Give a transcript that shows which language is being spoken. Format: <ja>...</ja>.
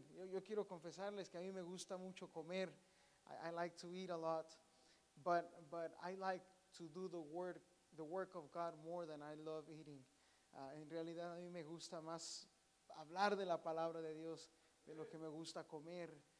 <es>Yo quiero confesarles que a mí me gusta mucho comer.</es> <en>I like to eat a lot, but I like to do the work of God more than I love eating.</en> <es>En realidad a mí me gusta más hablar de la palabra de Dios de lo que me gusta comer.</es>